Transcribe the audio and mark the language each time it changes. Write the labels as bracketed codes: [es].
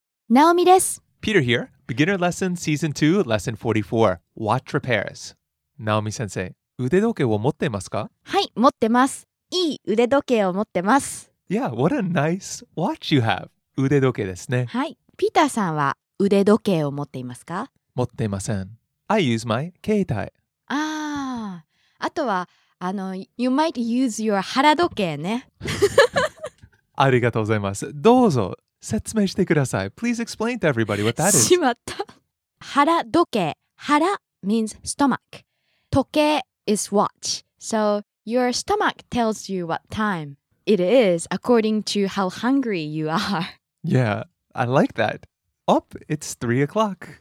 [ja] ナオミです。 [en] Peter here. Beginner Lesson Season 2 Lesson 44 Watch Repairs。 [ja] ナオミ先生、腕時計を持ってますか？はい、持ってます。いい腕時計を持ってます。 [en] Yeah, what a nice watch you have. [ja] 腕時計ですね。はい、ピーターさんは腕時計を持っていますか？持っていません。 [en] I use my 携帯。 [ja] ああ、あとは、 [en] you might use your 腹時計ね。 [ja] ありがとうございます。どうぞ、説明してください。 [en] Please explain to everybody what that is. [ja] しまった。腹時計。腹 [en] means stomach. 時計 is watch. So your stomach tells you what time it is according to how hungry you are. Yeah, I like that. Up, it's 3 o'clock.